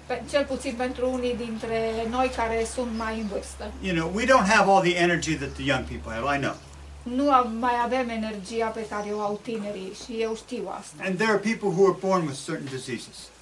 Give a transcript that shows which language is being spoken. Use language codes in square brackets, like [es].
[ro] cel puțin pentru unii dintre noi care sunt mai în vârstă. [en] You know, we don't have all the energy that the young people have, I know. [ro] Nu mai avem energia pe care o au tinerii și eu știu asta. [en] And there are people who are born with certain diseases.